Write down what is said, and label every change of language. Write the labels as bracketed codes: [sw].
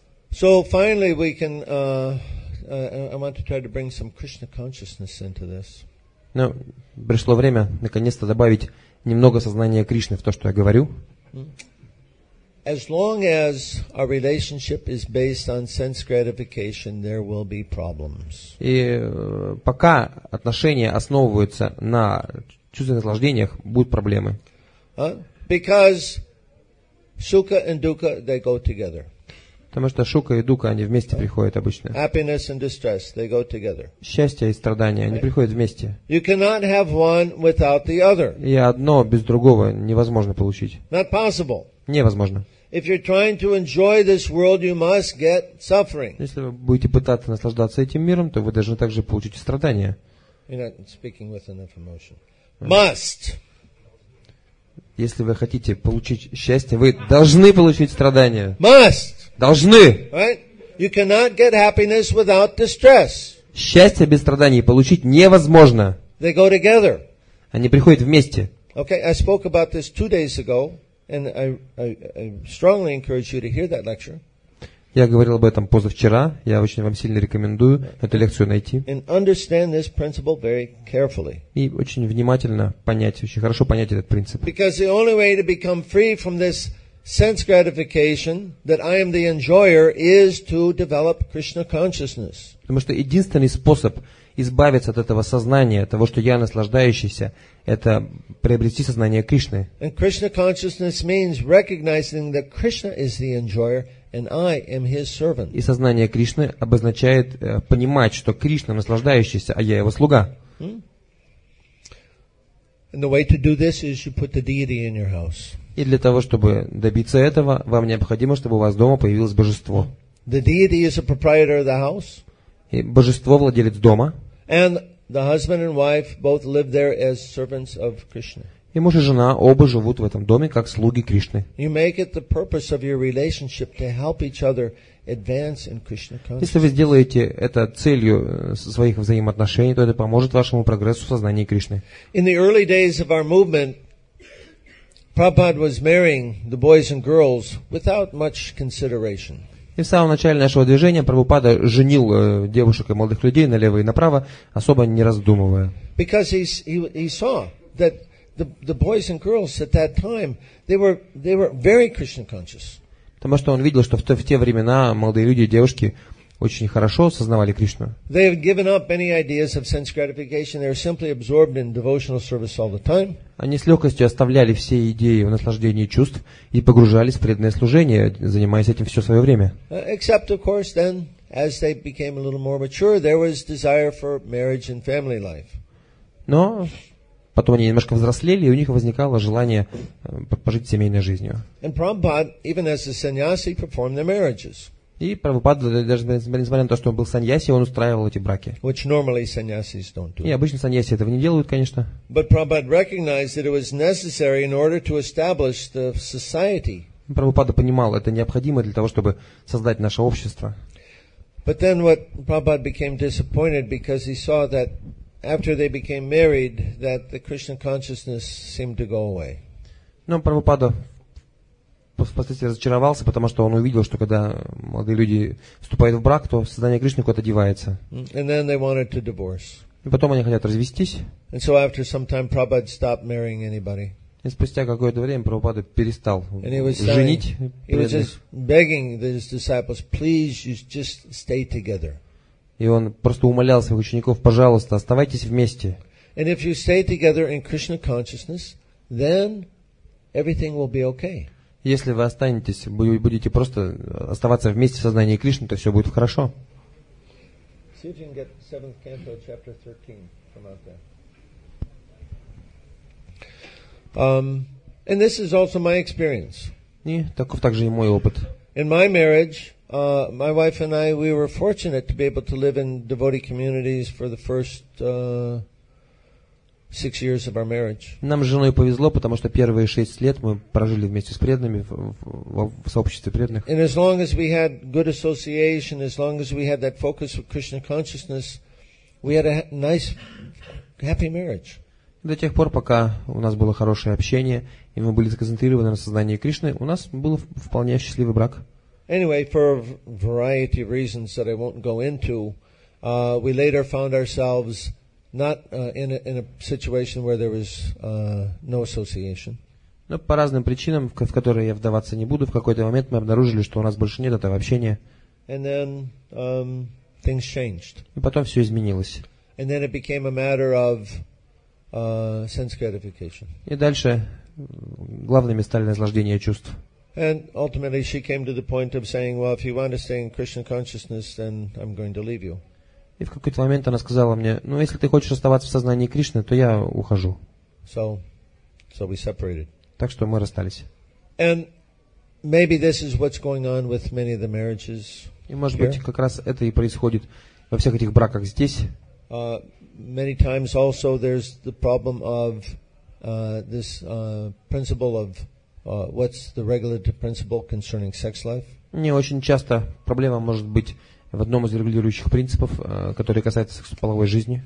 [en] So, finally, we can... I want to try to bring some Krishna consciousness into this. [ru] Ну, пришло время наконец-то добавить немного сознания Кришны в то, что я говорю. [en] As long as our relationship is based on sense gratification, there will be problems. [ru] И пока отношения основываются на чувственных наслаждениях, будут проблемы. [en] Because sukha and dukkha, they go together. [ru] Потому что шука и дука, они вместе приходят обычно. [en] Happiness and distress, they go together. [ru] Счастье и страдания, они приходят вместе. [en] You cannot have one without the other. [ru] И одно без другого невозможно получить. [en] Not possible. [ru] Невозможно. [en] If you're trying to enjoy this world, you must get suffering. [ru] Если вы будете пытаться наслаждаться этим миром, то вы должны также получить страдания. [en] You're not speaking with enough emotion. Must. [ru] Если вы хотите получить счастье, вы должны получить страдания. [en] Must. [ru] Должны. [en] Right? You cannot get happiness without distress. [ru] Счастье без страданий получить невозможно. [en] They go together. [ru] Они приходят вместе. [en] Okay, I spoke about this 2 days ago, and I strongly encourage you to hear that lecture. [ru] Я говорил об этом позавчера. Я очень вам сильно рекомендую эту лекцию найти. [en] And understand this principle very carefully. [ru] И очень внимательно понять, очень хорошо понять этот принцип. [en] Because the only way to become free from this sense gratification that I am the enjoyer is to develop Krishna consciousness. [ru] Потому что единственный способ избавиться от этого сознания, того, что я наслаждающийся, это приобрести сознание Кришны. [en] And Krishna consciousness means recognizing that Krishna is the enjoyer and I am his servant. [ru] И сознание Кришны обозначает понимать, что Кришна наслаждающийся, а я его слуга. [en] And the way to do this is you put the deity in your house. [ru] И для того, чтобы добиться этого, вам необходимо, чтобы у вас дома появилось божество. [en] The deity is a proprietor of the house. [ru] И божество владелец дома. [en] And the husband and wife both live there as servants of Krishna. [ru] И муж и жена оба живут в этом доме как слуги Кришны. [en] You make it the purpose of your relationship to help each other advance in Krishna consciousness. [ru] Если вы сделаете это целью своих взаимоотношений, то это поможет вашему прогрессу в сознании Кришны. [en] In the early days of our movement, Prabhupada was marrying the boys and girls without much consideration. [ru] И в самом начале нашего движения Прабхупада женил девушек и молодых людей налево и направо, особо не раздумывая. [en] Because he saw that the boys and girls at that time they were very Krishna conscious. [ru] Потому что он видел, что в те времена молодые люди и девушки очень хорошо осознавали Кришну. [en] They have given up any ideas of sense gratification. They are simply absorbed in devotional service all the time. [ru] Они с легкостью оставляли все идеи в наслаждении чувств и погружались в преданное служение, занимаясь этим все свое время. [en] Except, of course, then, as they became a little more mature, there was desire for marriage and family life. [ru] Но потом они немножко взрослели, и у них возникало желание пожить семейной жизнью. [en] And Prabhupada, even as a sannyasi, performed their marriages. [ru] И Прабхупада, даже несмотря на то, что он был саньяси, он устраивал эти браки. [en] Which normally sannyasis don't do. [ru] И обычно саньяси этого не делают, конечно. [en] But Prabhupada recognized that it was necessary in order to establish the society. [ru] Прабхупада понимал, это необходимо для того, чтобы создать наше общество. [en] But then what Prabhupada became disappointed because he saw that after they became married, that the Krishna consciousness seemed to go away. [ru] Но Прабхупада впоследствии разочаровался, потому что он увидел, что когда молодые люди вступают в брак, то сознание Кришны куда-то девается. [en] And then they wanted to divorce. [ru] И потом они хотят развестись. [en] And so after some time, Prabhupada stopped marrying anybody. [ru] И спустя какое-то время Прабхупада перестал женить. И он просто умолял своих учеников: пожалуйста, оставайтесь вместе. [en] And if you stay together in Krishna consciousness, then everything will be okay. [ru] Если вы останетесь, будете просто оставаться вместе в сознании Кришны, то все будет хорошо. [en] See if you can get 7th canto, chapter 13, from out there. And this is also my experience. [ru] И таков также и мой опыт. [en] In my marriage, my wife and I, we were fortunate to be able to live in devotee communities for the first 6 years of our marriage. [ru] Нам с женой повезло, потому что первые 6 лет мы прожили вместе с преданными в сообществе преданных. [en] And as long as we had good association, as long as we had that focus of Krishna consciousness, we had a nice, happy marriage. [ru] До тех пор, пока у нас было хорошее общение и мы были сконцентрированы на сознании Кришны, у нас был вполне счастливый брак. [en] Anyway, for a variety of reasons that I won't go into, we later found ourselves not in a situation where there was no association. [ru] Но по разным причинам, в которые я вдаваться не буду, в какой-то момент мы обнаружили, что у нас больше нет этого общения. [en] And then things changed. [ru] И потом все изменилось. [en] And then it became a matter of sense gratification. [ru] И дальше главными стали наслаждения чувств. [en] And ultimately she came to the point of saying, well, if you want to stay in Krishna consciousness, then I'm going to leave you. [ru] И в какой-то момент она сказала мне: ну, если ты хочешь оставаться в сознании Кришны, то я ухожу. [en] So we separated. [ru] Так что мы расстались. [en] And maybe this is what's going on with many of the marriages. [ru] И может быть, как раз это и происходит во всех этих браках здесь. [en] Many times also there's the problem of this principle of what's the regulative principle concerning sex life? [ru] Не очень часто проблема может быть в одном из регулирующих принципов, который касается сексуальной жизни.